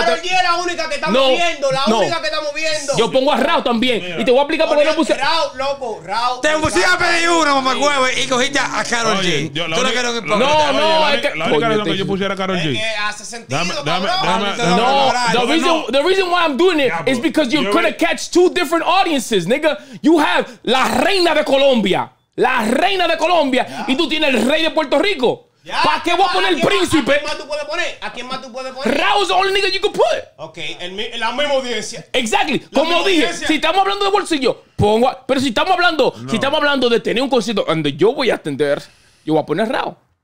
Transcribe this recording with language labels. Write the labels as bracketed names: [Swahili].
[Spanish] estás. Karol G es la única que estamos viendo. Yo pongo a Rao también. Y te voy a explicar por qué no puse. Rao. Te pusiste a pedir uno, mamá huevo, y cogiste a Karol G. Tú lo que eres un hipócrita. No, es que. La única razón que yo pusiera a Karol G. Hace sentido. [English] No, the reason why I'm doing it is because you're going to catch two different audiences, nigga. You have [Spanish] la reina de Colombia. La reina de Colombia. Yeah. Y tú tienes el rey de Puerto Rico. Yeah. ¿Para qué voy a poner el príncipe? ¿A quién más tú puedes poner? [English] Rao's the only nigga you can put. [Spanish] Okay, la misma audiencia. Exactly. Como dije, si estamos hablando de bolsillo, pongo. Pero si estamos hablando, si estamos hablando de tener un concierto donde yo voy a atender, yo voy a poner Rao.